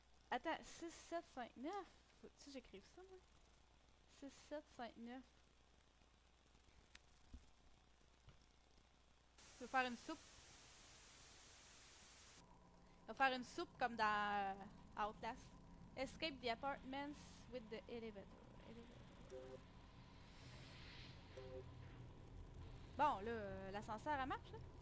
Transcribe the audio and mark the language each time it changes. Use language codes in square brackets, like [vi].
[fr] Attends, 6, 7, 5, 9. Faut-tu que j'écrive ça, moi? 6, 7, 5, 9. Je vais faire une soupe. Je vais faire une soupe comme dans Outlast. [en] Escape the apartments with the elevator. [fr] Bon, là, l'ascenseur, elle marche, là.